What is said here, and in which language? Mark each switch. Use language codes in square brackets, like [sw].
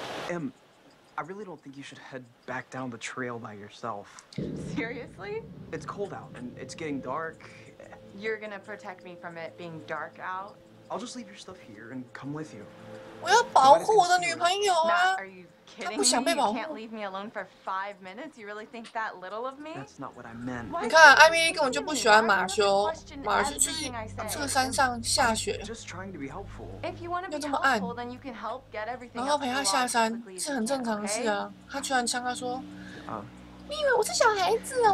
[en] Em, I really don't think you should head back down the trail by yourself. Seriously? It's cold out and it's getting dark. You're gonna protect me from it being dark out? I'll just leave your stuff here and come with you. [zh] 我要保护我的女朋友啊！她不想被保护。 [en] You can't leave me alone for 5 minutes. You really think that little of me? That's not what I meant. [zh] 你看，艾米莉根本就不喜欢马修。马修去这个山上下雪。 [en] Just trying to be helpful. If you want to be helpful, then you can help get everything. [zh] 然后陪他下山是很正常的事啊。他居然呛他说：“你以为我是小孩子啊？